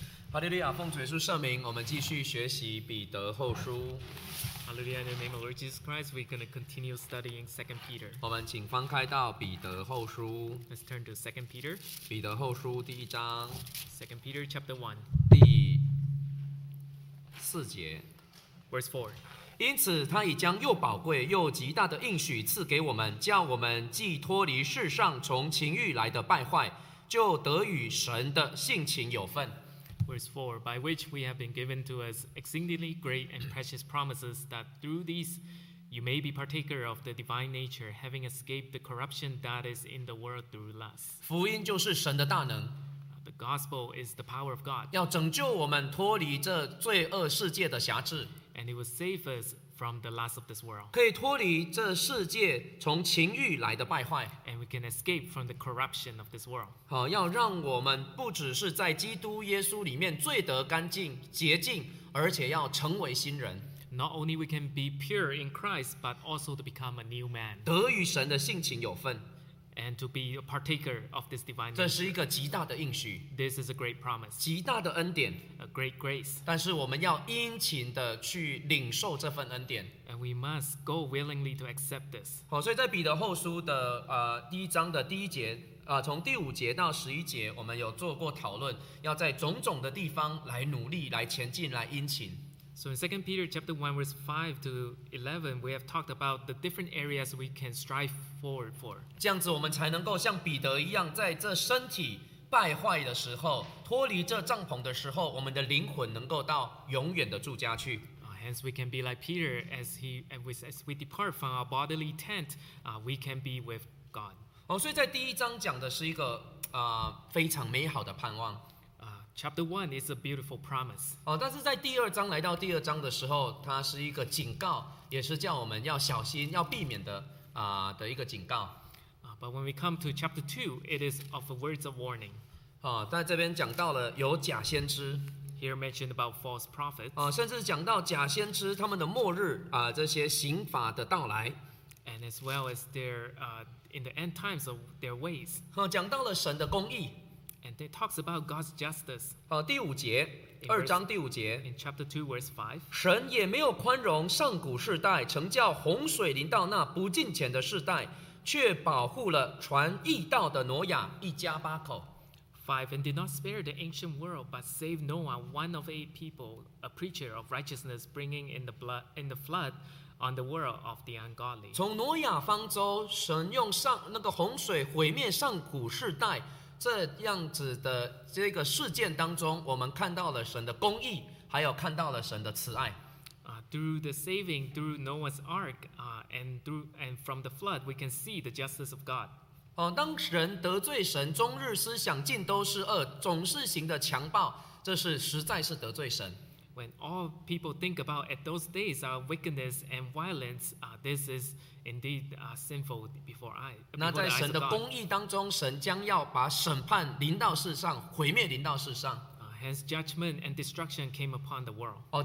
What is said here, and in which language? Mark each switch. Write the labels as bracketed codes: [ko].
[zh] 哈利路亚，奉主耶稣圣名，我们继续学习彼得后书。哈利路亚， [en] in the name of Lord Jesus Christ, we're going to continue studying 2 Peter. [zh] 我们请翻开到彼得后书。 [en] Let's turn to 2 Peter. [zh] 彼得后书第一章。 [en] 2 Peter chapter 1. [zh] 第四节。 [en] Verse 4. [zh] 因此他已将又宝贵又极大的应许赐给我们，叫我们既脱离世上从情欲来的败坏，就得与神的性情有份。 [en] Verse 4, by which we have been given to us exceedingly great and precious promises, that through these you may be partaker of the divine nature, having escaped the corruption that is in the world through lust. [zh] 福音就是神的大能。 [en] The gospel is the power of God. [zh] 要拯救我们脱离这罪恶世界的辖制。 [en] And it will save us from the lust of this world. [zh] 可以脱离这世界从情欲来的败坏。 [en] And we can escape from the corruption of this world. [zh] 好，要让我们不只是在基督耶稣里面罪得干净洁净，而且要成为新人。 [en] Not only we can be pure in Christ, but also to become a new man. [zh] 得与神的性情有份。 [en] And to be a partaker of this divine nature. [zh] 这是一个极大的应许。 [en] This is a great promise. [zh] 极大的恩典。 [en] Great grace. [zh] 但是我们要殷勤地去领受这份恩典。 [en] And we must go willingly to accept this. [zh] 好，所以在彼得后书的第一章的第一节，从第五节到十一节，我们有做过讨论，要在种种的地方来努力，来前进，来殷勤。 [en] So in 2 Peter chapter 1 verse 5 to 11, we have talked about the different areas we can strive forward for. [zh] 这样子我们才能够像彼得一样，在这身体败坏的时候，脱离这帐篷的时候，我们的灵魂能够到永远的住家去。 [en] Hence we can be like Peter as we depart from our bodily tent, we can be with God. [zh] 哦，所以在第一章讲的是一个非常美好的盼望。 [en] Chapter 1 is a beautiful promise. [zh] 哦，但是在第二章来到第二章的时候，它是一个警告，也是叫我们要小心，要避免的一个警告。 [en] But when we come to chapter 2, it is of the words of warning. [zh] 在这边讲到了有假先知。 [en] Here mentioned about false prophets. [zh] 甚至讲到假先知他们的末日，这些刑罚的到来。 [en] And as well as their, in the end times of their ways. [zh] 讲到了神的公义。 [en] And it talks about God's justice. [zh] 第五节，二章第五节。 [en] In chapter 2, verse 5. [zh] 神也没有宽容上古世代，曾叫洪水临到那不敬虔的世代，却保护了传义道的挪亚一家八口。 [en] 5. And did not spare the ancient world, but saved Noah, one of eight people, a preacher of righteousness, bringing in the flood on the world of the ungodly. [zh] 从挪亚方舟，神用洪水毁灭上古世代，这样子的这个事件当中，我们看到了神的公义，还有看到了神的慈爱。 [en] Through the saving, through Noah's ark, and from the flood, we can see the justice of God. [zh] 当人得罪神，终日思想尽都是恶，总是行的强暴，这是实在是得罪神。 [en] When all people think about at those days are wickedness and violence, this is indeed sinful before eyes. [zh] 那在神的公义当中，神将要把审判临到世上，毁灭临到世上。 [en] Hence judgment and destruction came upon the world.